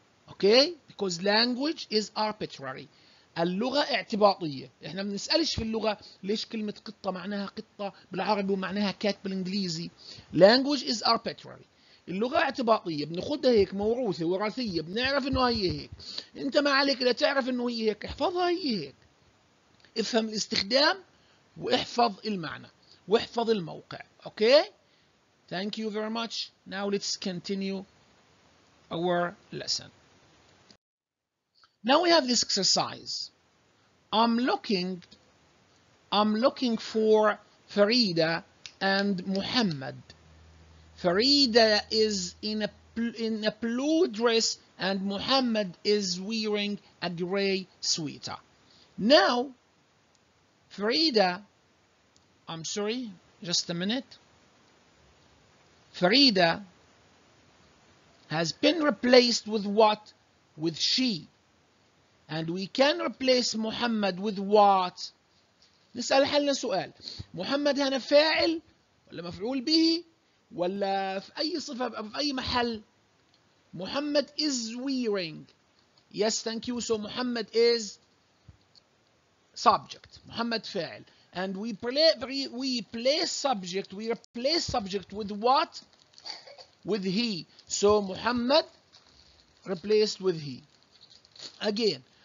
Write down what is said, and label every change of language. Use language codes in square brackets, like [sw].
[en] Okay, because language is arbitrary. [ar] اللغة اعتباطية، احنا ما بنسألش في اللغة ليش كلمة قطة معناها قطة بالعربي ومعناها كات بالانجليزي. [en] Language is arbitrary. [ar] اللغة اعتباطية، بناخذها هيك موروثة وراثية، بنعرف انه هي هيك. انت ما عليك الا تعرف انه هي هيك، احفظها هي هيك. افهم الاستخدام واحفظ المعنى، واحفظ الموقع، اوكي؟ [en] Thank you very much. Now let's continue our lesson. Now we have this exercise. I'm looking for Farida and Muhammad. Farida is in a blue dress and Muhammad is wearing a gray sweater. Now, Farida, I'm sorry, just a minute. Farida has been replaced with what? With she. And we can replace Muhammad with what? [ar] نسأل حالنا سؤال. محمد هنا فاعل ولا مفعول به ولا في أي صفة أو في أي محل؟ محمد [en] is wearing. Yes, thank you. So محمد is subject. [ar] محمد فاعل. [en] And we replace subject with what? With he. So محمد replaced with he. Again.